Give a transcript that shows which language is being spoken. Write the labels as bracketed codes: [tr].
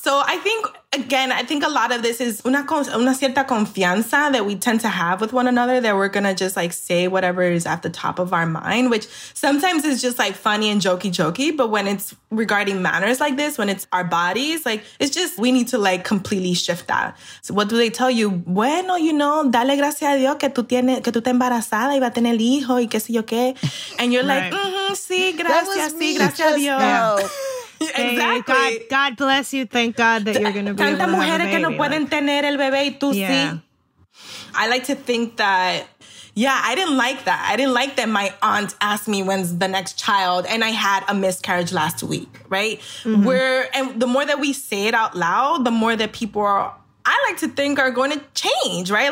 [en] So I think again, I think a lot of this is [es] una cierta confianza [en] that we tend to have with one another that we're gonna just like say whatever is at the top of our mind, which sometimes is just like fun. And jokey, but when it's regarding manners like this, when it's our bodies, like it's just we need to like completely shift that. So what do they tell you? [es] Bueno, [en] you know, [es] dale gracias a Dios que tú tienes que tú estás embarazada y va a tener el hijo y qué sé yo qué. [en] And you're like, [es] sí, gracias a Dios. [en] Exactly. Hey, God bless you. Thank God that you're going to be able to have a baby. [es] Tantas mujeres que no pueden tener el bebé y tú sí. [en] I like to think that, yeah, I didn't like that. I didn't like that my aunt asked me when's the next child and I had a miscarriage last week, right? Mm-hmm. And the more that we say it out loud, the more that people are going to change, right?